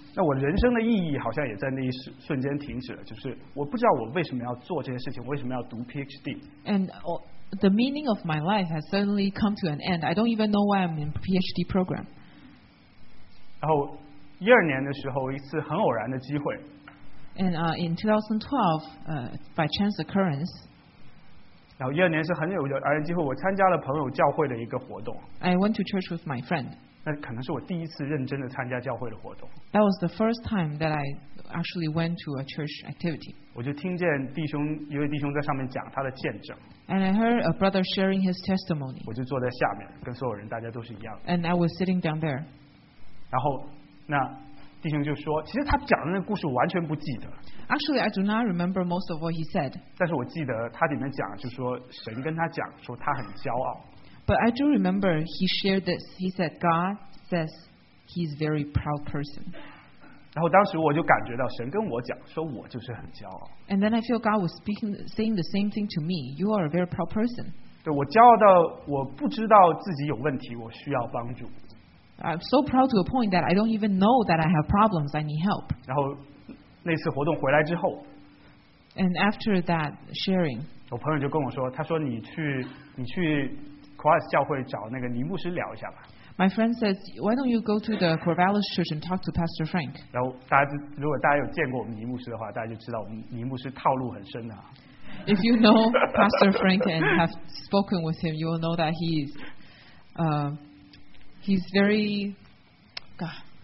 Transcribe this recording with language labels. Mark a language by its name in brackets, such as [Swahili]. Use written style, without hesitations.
[Chinese] 那我人生的意义好像也在那一瞬间停止了，就是我不知道我为什么要做这些事情，为什么要读 PhD. [English] And the meaning of my life has suddenly come to an end. I don't even know why I'm in PhD program. [Chinese] 然后 2012年的时候，一次很偶然的机会。 [English] And in 2012, by chance occurrence. [Chinese] 然后2012年是很有偶然机会，我参加了朋友教会的一个活动。 [English] I went to church with my friend. [Chinese] 那可能是我第一次认真的参加教会的活动。 [English] That was the first time that I actually went to a church activity. [Chinese] 我就听见弟兄，一位弟兄在上面讲他的见证。 [English] And I heard a brother sharing his testimony. [Chinese] 我就坐在下面，跟所有人大家都是一样的。 [English] And I was sitting down there. [Chinese] 然后那弟兄就说，其实他讲的那个故事完全不记得。 [English] Actually, I do not remember most of what he said. [Chinese] 但是我记得他里面讲，就是说神跟他讲，说他很骄傲。 [English] But I do remember he shared this. He said God says he's a very proud person. [Chinese] 然后当时我就感觉到神跟我讲，说我就是很骄傲。 [English] And then I feel God was speaking, saying the same thing to me. You are a very proud person. [Chinese] 对，我骄傲到我不知道自己有问题，我需要帮助。 [English] I'm so proud to a point that I don't even know that I have problems. I need help. [Chinese] 然后那次活动回来之后， [English] and after that sharing, [Chinese] 我朋友就跟我说，他说你去 Corvallis 教会找那个尼牧师聊一下吧。 [English] My friend says, why don't you go to the Corvallis Church and talk to Pastor Frank? [Chinese] 然后大家如果大家有见过我们尼牧师的话，大家就知道我们尼牧师套路很深的。 [English] If you know Pastor Frank and have spoken with him, you will know that he's, He's very, God.